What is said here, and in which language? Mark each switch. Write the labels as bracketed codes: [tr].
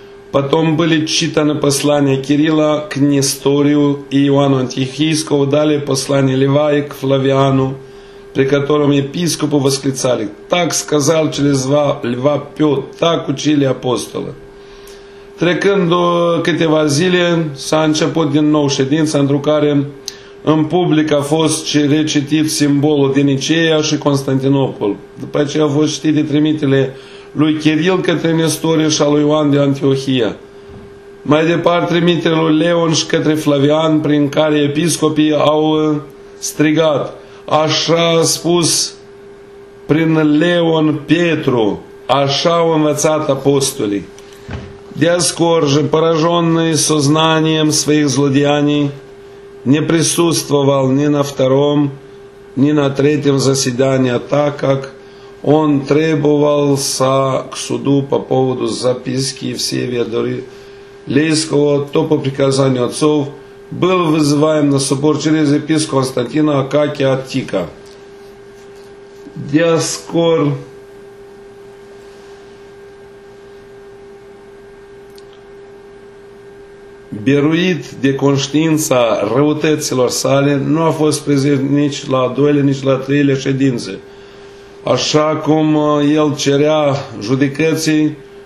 [ru] Потом были читаны послания Кирилла к Несторию и Иоанну Антиохийскому, далее послание Льва и к Флавиану, при котором епископу восклицали: «Так сказал через Льва Петр, так учили апостолы». [ro] Trecându câteva zile, s-a început din nou ședința, într-o care în public a fost recitit simbolul din Niceea și Constantinopol. După aceea au fost citite trimitele lui Kiril către Nestorie și a lui Ioan de Antiohia. Mai departe, trimitele lui Leon și către Flavian, prin care episcopii au strigat: așa a spus prin Leon Petru, așa au învățat apostolii. [ru] Диоскор же, пораженный сознанием своих злодеяний, не присутствовал ни на втором, ни на третьем заседании, так как он требовался к суду по поводу записки Евсевия Дорилейского, то по приказанию отцов был вызываем на собор через епископа Константина Акакия Аттика. [ro] Диоскор biruit de conștiința răutăților sale, nu a fost prezent nici la a doilea, nici la a treilea ședință. Așa cum el cerea judecății,